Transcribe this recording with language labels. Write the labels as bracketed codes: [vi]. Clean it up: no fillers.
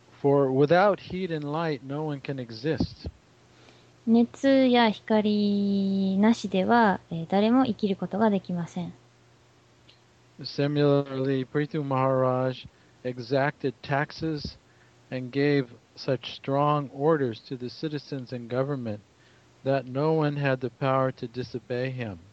[en] For without heat and light, no one can exist. [ja] 熱や光なしでは、誰も生きることができません。 [en] Similarly, Prithu Maharaj exacted taxes and gave such strong orders to the citizens and government that no one had the power to disobey him.